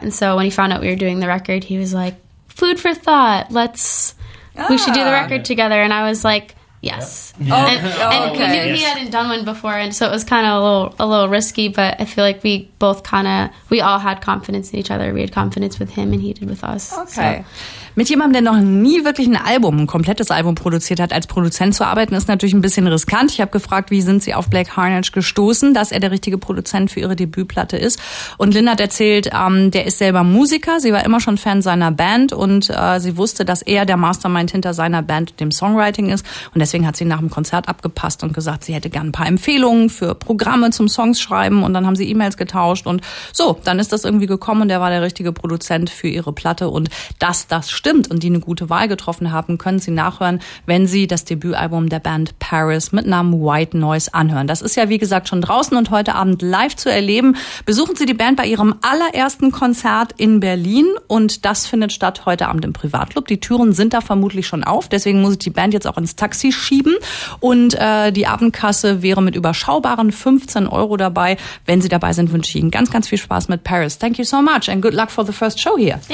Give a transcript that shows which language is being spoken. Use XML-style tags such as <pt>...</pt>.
<en>And so when he found out we were doing the record, he was like, food for thought, we should do the record together. And I was like, yes. Okay. And he knew he hadn't done one before, and so it was kind of a little risky, but I feel like we all had confidence in each other. We had confidence with him and he did with us. Okay.</en> <de>So. Mit jemandem, der noch nie wirklich ein komplettes Album produziert hat, als Produzent zu arbeiten, ist natürlich ein bisschen riskant. Ich habe gefragt, wie sind Sie auf Black Harnage gestoßen, dass er der richtige Produzent für Ihre Debütplatte ist. Und Lynn hat erzählt, der ist selber Musiker. Sie war immer schon Fan seiner Band und sie wusste, dass er der Mastermind hinter seiner Band, dem Songwriting ist. Und deswegen hat sie nach dem Konzert abgepasst und gesagt, sie hätte gern ein paar Empfehlungen für Programme zum Songs schreiben. Und dann haben sie E-Mails getauscht und so, dann ist das irgendwie gekommen und er war der richtige Produzent für ihre Platte. Und dass das stimmt und die eine gute Wahl getroffen haben, können Sie nachhören, wenn Sie das Debütalbum der Band Paris mit Namen White Noise anhören. Das ist ja wie gesagt schon draußen und heute Abend live zu erleben. Besuchen Sie die Band bei ihrem allerersten Konzert in Berlin und das findet statt heute Abend im Privatclub. Die Türen sind da vermutlich schon auf, deswegen muss ich die Band jetzt auch ins Taxi schieben und die Abendkasse wäre mit überschaubaren 15 Euro dabei. Wenn Sie dabei sind, wünsche ich Ihnen ganz, ganz viel Spaß mit Paris.</de> <en>Thank you so much and good luck for the first show here.</en>